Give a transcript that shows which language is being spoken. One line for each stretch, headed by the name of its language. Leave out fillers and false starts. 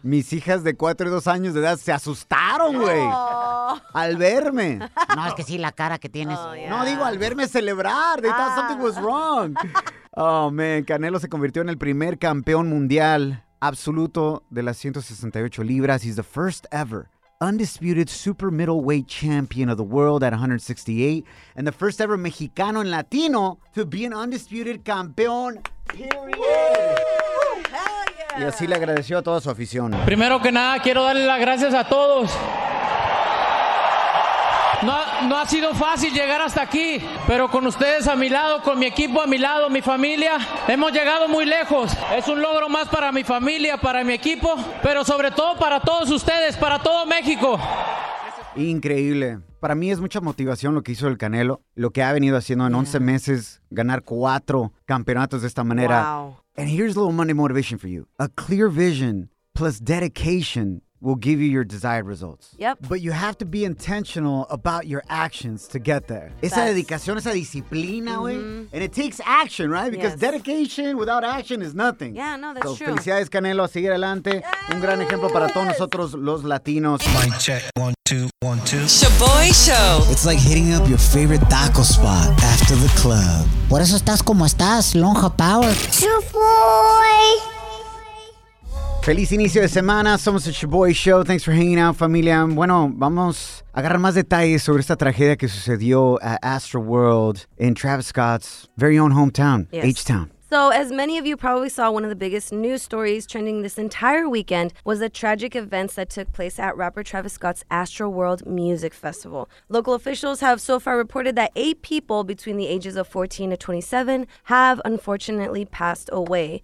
Spanish: Mis hijas de 4 y 2 años de edad se asustaron, güey.
English: Oh.
Spanish: Al verme. No, es que sí, la cara que tienes.
English: Oh, yeah.
Spanish: No, digo, al verme celebrar.
English: They thought something was wrong. Oh, man.
Spanish: Canelo se convirtió en el primer campeón mundial absoluto de las 168 libras.
English: He's the first ever undisputed super middleweight champion of the world at 168. And the first ever Mexicano en Latino to be an undisputed campeón. Period. Yeah.
Spanish: Y así le agradeció a toda su afición. Primero que nada, quiero darle las gracias a todos. No ha sido fácil llegar hasta aquí, pero con ustedes a mi lado, con mi equipo a mi lado, mi familia, hemos llegado muy lejos. Es un logro más para mi familia, para mi equipo, pero sobre todo para todos ustedes, para todo México. Increíble. Para mí es mucha motivación lo que hizo el Canelo, lo que ha venido haciendo en 11 meses, ganar 4 campeonatos de esta manera.
English: Wow. And here's a little money motivation for you. A clear vision plus dedication will give you your desired results. Yep. But you have to be intentional about your actions to get there. Facts.
Spanish: Esa dedicación, esa disciplina, güey.
English: Mm-hmm. And it takes action, right? Because Dedication without action is nothing. Yeah, no, that's so true. So,
Spanish: felicidades, Canelo, a seguir adelante.
English: Yes.
Spanish: Un gran ejemplo para todos nosotros, los latinos.
English: Mic check. 1, 2, 1, 2. Shaboy Show. It's like hitting up your favorite taco spot after the club.
Spanish: Por eso estás como estás, Lonja Power.
English: Shaboy.
Spanish: Feliz inicio de semana, somos el Shaboy Show,
English: thanks for hanging out,
Spanish: familia. Bueno, vamos a agarrar más detalles sobre esta tragedia que sucedió
English: at Astroworld in Travis Scott's very own hometown, yes. H-Town. So, as many of you probably saw, one of the biggest news stories trending this entire weekend was the tragic events that took place at rapper Travis Scott's Astroworld Music Festival. Local officials have so far reported that 8 people between the ages of 14 to 27 have unfortunately passed away.